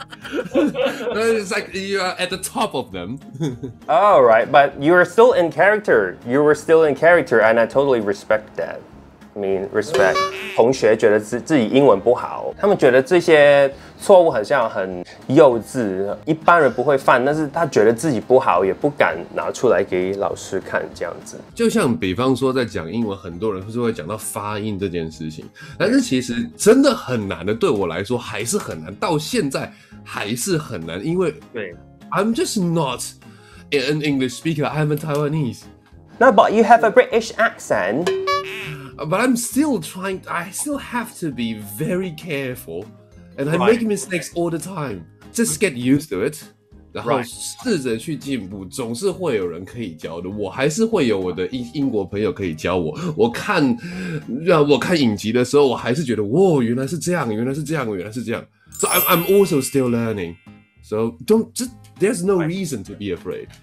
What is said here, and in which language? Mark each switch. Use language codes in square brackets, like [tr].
[en] It's like you are at the top of them. All right, but you are still in character. You were still in character, and I totally respect that. I mean, respect. [zh] 同学觉得自己英文不好，他们觉得这些错误很像很幼稚，一般人不会犯，但是他觉得自己不好，也不敢拿出来给老师看，这样子。就像比方说，在讲英文，很多人是会讲到发音这件事情，但是其实真的很难的，对我来说还是很难，到现在。还是很难，因为对 [en] ，I'm just not an English speaker. I'm a Taiwanese. No, but you have a British accent. But I'm still trying. I still have to be very careful, and I make mistakes all the time. Just get used to it. [zh] 然后试着去进步，总是会有人可以教的。我还是会有我的英国朋友可以教我。我看影集的时候，我还是觉得，哇，原来是这样，原来是这样，原来是这样。 [en] So I'm also still learning. So there's no reason to be afraid.